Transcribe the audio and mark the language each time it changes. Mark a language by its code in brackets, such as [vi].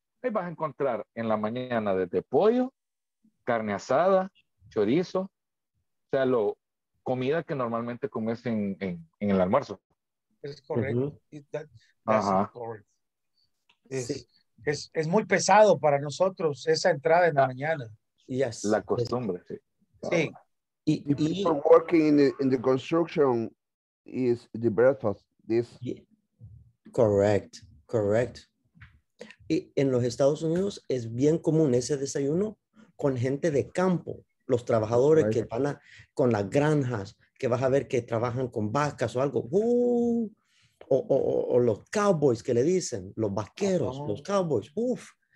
[es] Ahí vas a encontrar en la mañana desde pollo, carne asada, chorizo, o sea, lo comida que normalmente comes en el almuerzo. Es correcto. Uh-huh. Es muy pesado para nosotros esa entrada en la mañana. [en] Yes. [es] La costumbre, sí. Sí. [en] Y people working in the construction is the breakfast. This. Correct. [es] Y en los Estados Unidos es bien común ese desayuno con gente de campo. Los trabajadores que van con las granjas, que vas a ver que trabajan con vacas o algo. O los cowboys que le dicen, los vaqueros, los cowboys. Uf.